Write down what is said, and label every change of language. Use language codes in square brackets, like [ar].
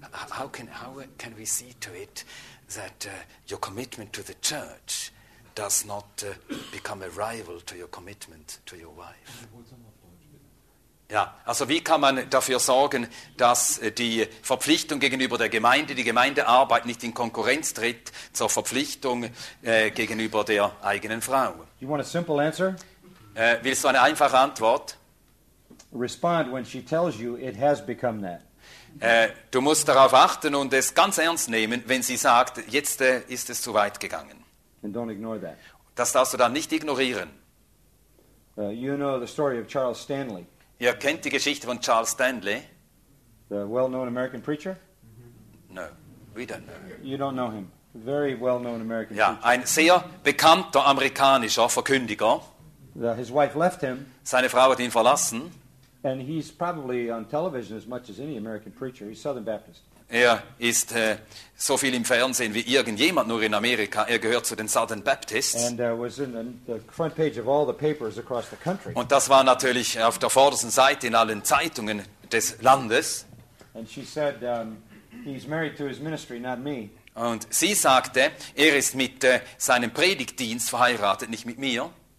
[en] How can we see to it that your commitment to the church does not become a rival to your commitment to your wife? [de] Ja, also wie kann man dafür sorgen, dass die Verpflichtung gegenüber der Gemeinde, die Gemeindearbeit nicht in Konkurrenz tritt zur Verpflichtung gegenüber der eigenen Frau? [en] You want a simple answer? [de] Willst du eine einfache Antwort? [en] Respond when she tells you it has become that. [de] Du musst darauf achten und es ganz ernst nehmen, wenn sie sagt, jetzt ist es zu weit gegangen. [en] And don't ignore that. [de] Das darfst du dann nicht ignorieren. [en] You know the story of Charles Stanley. [de] Ihr kennt die Geschichte von Charles Stanley? [en] The well-known American preacher? No, we don't know. You don't know him. Very well-known American [de] ja, [en] preacher. [de] Ein sehr bekannter amerikanischer Verkündiger. [en] His wife left him. [de] Seine Frau hat ihn verlassen. [en] And he's probably on television as much as any American preacher. He's Southern Baptist. [de] Er ist so viel im Fernsehen wie irgendjemand nur in Amerika. Er gehört zu den Southern Baptists. [en] And was in the front page of all the papers across the country. [de] Und das war natürlich auf der vordersten Seite in allen Zeitungen des Landes. [en] And she said, he's married to his ministry, not me. [de] Und sie sagte, ist mit seinem Predigtdienst verheiratet, nicht mit mir.